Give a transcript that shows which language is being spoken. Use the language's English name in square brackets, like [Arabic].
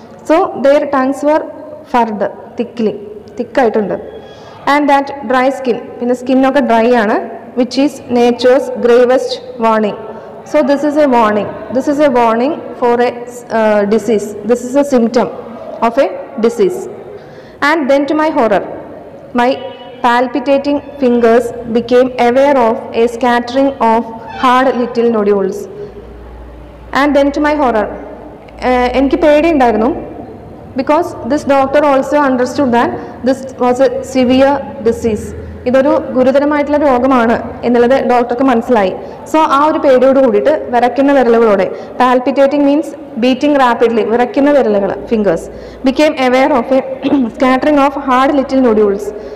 [English] so their tongues were furred, thickly, [Malayalam] തിക്കായിട്ടുണ്ട്. [English] and that dry skin, [Malayalam] പിന്നെ സ്കിന്നൊക്കെ dry ആണ്. [English] Which is nature's gravest warning. So this is a warning, this is a warning for a disease. This is a symptom of a disease. And then to my horror, my palpitating fingers became aware of a scattering of hard little nodules. And then to my horror, [Malayalam] എനിക്ക് പേടി ഉണ്ടായിരുന്നു. [English] Because this doctor also understood that this was a severe disease. [Malayalam] ഇതൊരു ഗുരുതരമായിട്ടുള്ള രോഗമാണ് എന്നുള്ളത് ഡോക്ടർക്ക് മനസ്സിലായി. So ആ ഒരു പേടിയോട് കൂടിയിട്ട് വിറയ്ക്കുന്ന വിരലുകളോടെ, [English] palpitating means beating rapidly, [Malayalam] വിറയ്ക്കുന്ന വിരലുകൾ, [English] Fingers, became aware of a scattering of hard little nodules.